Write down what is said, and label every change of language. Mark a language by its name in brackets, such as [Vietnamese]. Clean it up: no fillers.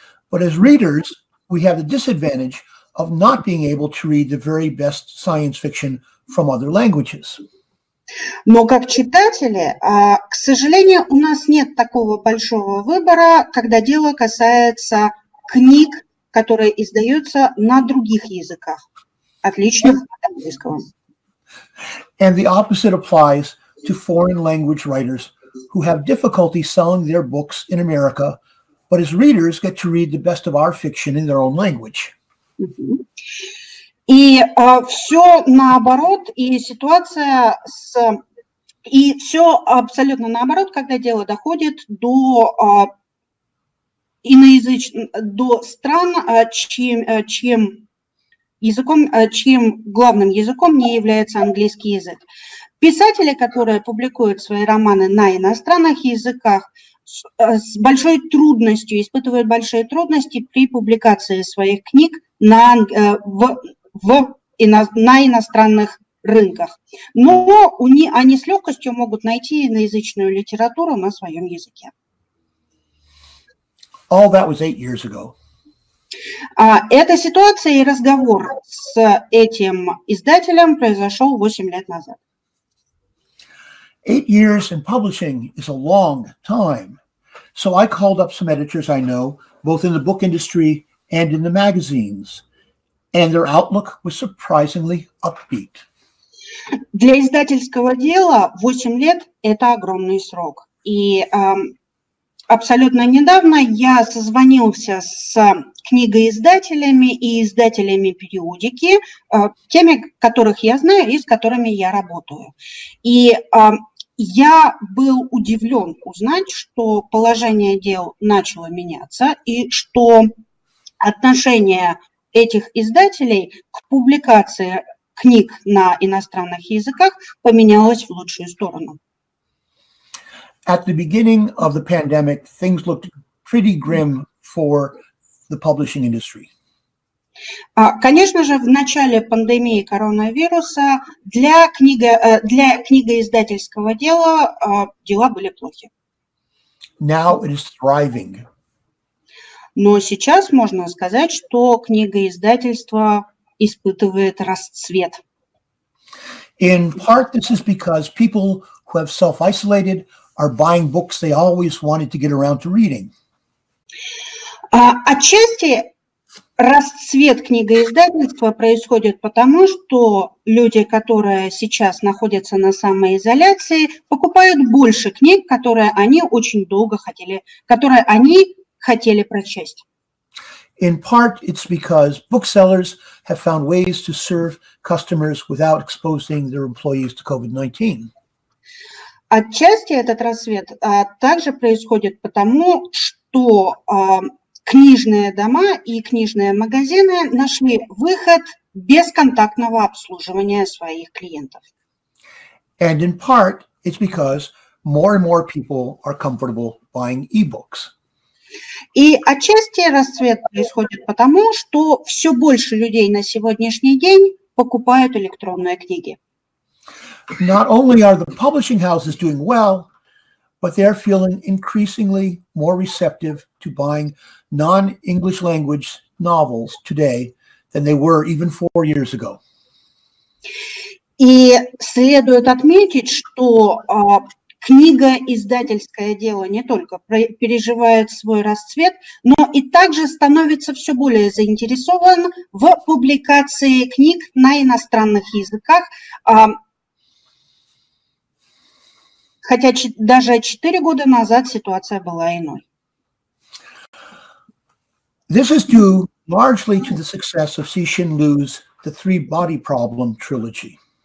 [English] But as readers, we have the disadvantage of not being able to read the very best science fiction from other languages. [Russian] Но как читатели, к сожалению, у нас нет такого большого выбора, когда дело касается книг, которые издаются на других языках, отличных от английского. [English] And the opposite applies to foreign language writers who have difficulty selling their books in America, but as readers get to read the best of our fiction in their own language. [Russian] И все наоборот, и ситуация с... И все абсолютно наоборот, когда дело доходит до до стран, чьим главным языком не является английский язык. Писатели, которые публикуют свои романы на иностранных языках, с большой трудностью, испытывают большие трудности при публикации своих книг на иностранных рынках. Но они с легкостью могут найти иноязычную литературу на своем языке. [English] All that was 8 years ago. [Russian] Эта ситуация и разговор с этим издателем произошел 8 лет назад. [English] 8 years in publishing is a long time. So I called up some editors I know, both in the book industry and in the magazines. And their outlook was surprisingly upbeat. [Russian] Для издательского дела 8 лет – это огромный срок. И абсолютно недавно я созвонился с книгоиздателями и издателями периодики, теми, которых я знаю и с которыми я работаю. И я был удивлен узнать, что положение дел начало меняться и что отношение этих издателей к публикации книг на иностранных языках поменялось в лучшую сторону. [English] At the beginning of the pandemic, things looked pretty grim for the publishing industry. [Russian] Конечно же, в начале пандемии коронавируса для книгоиздательского дела дела были плохи. [English] Now it is thriving. [Russian] Но сейчас можно сказать, что книгоиздательство испытывает расцвет. [English] In part, this is because people who have self-isolated are buying books they always wanted to get around to reading. [Russian] Отчасти расцвет книгоиздательства происходит потому, что люди, которые сейчас находятся на самоизоляции, покупают больше книг, которые они очень долго хотели, которые они хотели прочесть. [English] In part, it's because booksellers have found ways to serve customers without exposing their employees to COVID-19. [Russian] Отчасти этот рассвет также происходит потому, что книжные дома и книжные магазины нашли выход бесконтактного обслуживания своих клиентов. [English] And in part, it's because more and more people are comfortable buying e-books. [Russian] И отчасти расцвет происходит потому, что все больше людей на сегодняшний день покупают электронные книги. [English] Not only are the publishing houses doing well, but they are feeling increasingly more receptive to buying non-English language novels today than they were even 4 years ago. [Russian] И следует отметить, что книгоиздательское дело не только переживает свой расцвет, но и также становится все более заинтересован в публикации книг на иностранных языках. Хотя даже 4 года назад ситуация была иной. [English] This is due largely to the success of Cixin Liu's The Three Body Problem trilogy.